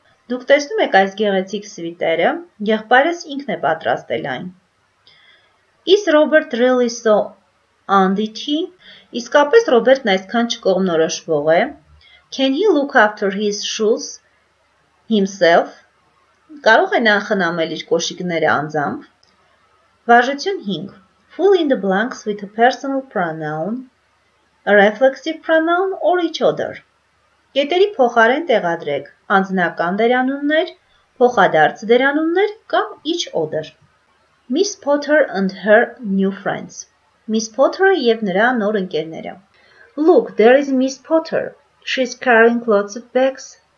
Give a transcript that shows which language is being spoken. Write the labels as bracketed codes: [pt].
[hy] Դուք տեսնում եք այս գեղեցիկ սվիտերը, եղբայրս ինքն է պատրաստել այն։ [en] Is Robert really so undity? [hy] Իսկապես Ռոբերտն այսքան չկողմնորոշվող է։ [en] Can he look after his shoes himself? [hy] Կարող է նա խնամել իր կոշիկները անձամբ։ Բաժություն 5. [en] Fill in the blanks with a personal pronoun, a reflexive pronoun or each other. [hy] Կետերի փոխարեն տեղադրեք անձնական դերանուններ, փոխադարձ դերանուններ կամ each other. [en] Miss Potter and her new friends. [hy] Miss Potter-ը եւ նրա նոր ընկերները. [en] Look, there is Miss Potter. She's carrying lots of bags.